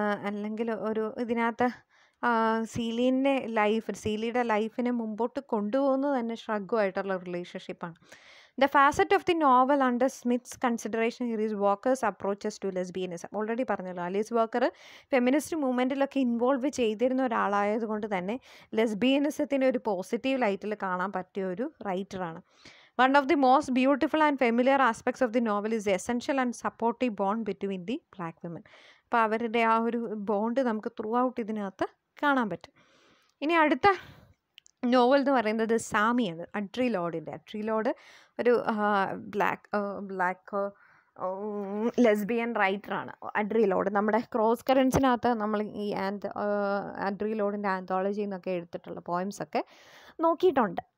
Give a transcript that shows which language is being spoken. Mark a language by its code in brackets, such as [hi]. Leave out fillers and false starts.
[ml] അല്ലെങ്കിൽ ഒരു ഇതിനകത്ത് സീലിൻ്റെ ലൈഫ്, സീലിയുടെ ലൈഫിനെ മുമ്പോട്ട് കൊണ്ടുപോകുന്നത് തന്നെ ഷ്രഗുമായിട്ടുള്ള റിലേഷൻഷിപ്പാണ്. [en] The facet of the novel under Smith's consideration here is Walker's approaches to lesbianism. [ml] Already പറഞ്ഞല്ലോ, ആലീസ് വർക്കർ ഫെമിനിസ്റ്റ് മൂവ്മെൻറ്റിലൊക്കെ ഇൻവോൾവ് ചെയ്തിരുന്ന ഒരാളായതുകൊണ്ട് തന്നെ ലെസ്ബിയനിസത്തിന് ഒരു പോസിറ്റീവ് ലൈറ്റിൽ കാണാൻ പറ്റിയ ഒരു റൈറ്ററാണ്. [en] One of the most beautiful and familiar aspects of the novel is the essential and supportive bond between the black women. [ml] അപ്പോൾ അവരുടെ ആ ഒരു ബോണ്ട് നമുക്ക് ത്രൂ ഔട്ട് ഇതിനകത്ത് കാണാൻ പറ്റും. ഇനി അടുത്ത നോവൽ എന്ന് പറയുന്നത് സാമിയാണ്, അട്രിലോഡിൻ്റെ. അട്രിലോഡ് ഒരു ബ്ലാക്ക് ലെസ്ബിയൻ റൈറ്ററാണ്. അട്രിലോഡ് നമ്മുടെ ക്രോസ് കറൻസിനകത്ത് നമ്മൾ ഈ അട്രിലോഡിൻ്റെ ആന്തോളജി എന്നൊക്കെ എടുത്തിട്ടുള്ള പോയിംസൊക്കെ നോക്കിയിട്ടുണ്ട്.